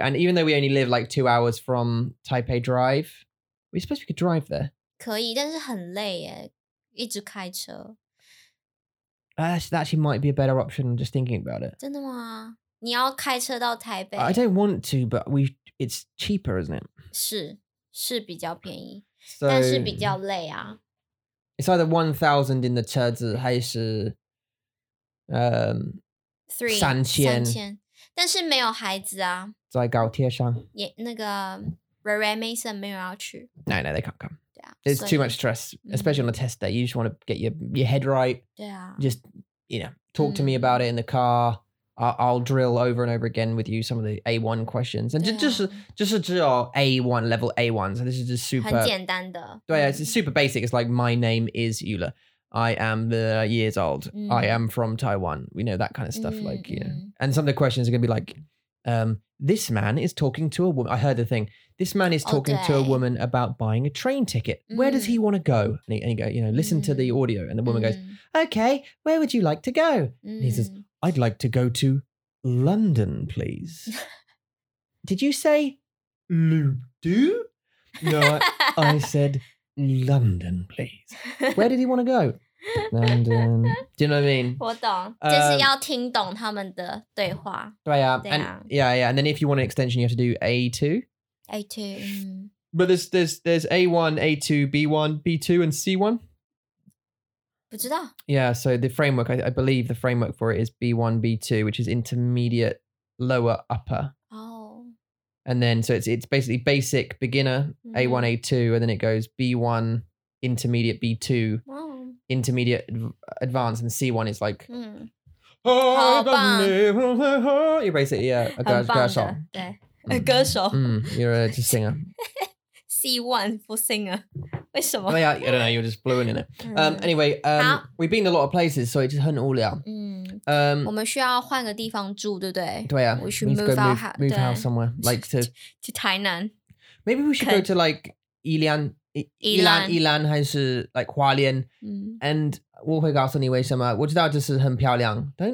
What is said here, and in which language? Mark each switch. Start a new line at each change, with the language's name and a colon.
English: And even though we only live like 2 hours from Taipei Drive, we suppose we could drive there.
Chinese: 可以，但是很累耶，一直开车.
English: That actually might be a better option. Just thinking about it.
Chinese: 真的吗?你要开车到台北?
English: I don't want to, but it's cheaper, isn't it?
Chinese: 是，是比较便宜， so, 但是比较累啊.
English: It's either 1,000 in the
Chinese: 车子, 还是
English: 3,000.
Chinese: 但是没有孩子啊，在高铁上。那个Ray Mason没有要去。
English: No, they can't come. It's too much stress, especially on the test day. You just want to get your head right. Just, you know, talk to me about it in the car. I'll drill over and over again with you some of the A1 questions. And just A1, level A1. So this is just super...
Chinese: 很简单的。对啊，
English: it's super basic. It's like, my name is Yula. I am the years old. I am from Taiwan. We know that kind of stuff. Like, you know. And some of the questions are going to be like, this man is talking to a woman. I heard the thing. This man is talking to a woman about buying a train ticket. Where does he want to go? And he go, you know, listen to the audio. And the woman goes, okay, where would you like to go? And he says, I'd like to go to London, please. Did you say Ludo? No, I said London, please. Where did he want to go? London. Do you know what I mean?
Chinese: 我懂，就是要听懂他们的对话。对啊，
English: and then if you want an extension, you have to do A2. A2. But there's A1, A2, B1, B2, and C1.
Chinese: 不知道。
English: Yeah, so the framework, I believe the framework for it is B1, B2, which is intermediate, lower, upper. And then, so it's basically basic, beginner, A1, A2, and then it goes B1, intermediate, B2, intermediate, advanced, and C1 is like... You're basically a 歌手。 A 歌手。 You're just a singer. C1 C1 for singer.
Chinese: 为什么?
English: Oh, yeah, I don't know, you're just fluent in it. Anyway, we've been a lot of places, so it's just
Chinese: 很无聊. 我们需要换个地方住, 对不对? 对啊,
English: we should move out house somewhere. Like to Tainan. Maybe we should go to like Yilan, or like Hualien.
Chinese: And 我会告诉你为什么, 我知道这是很漂亮.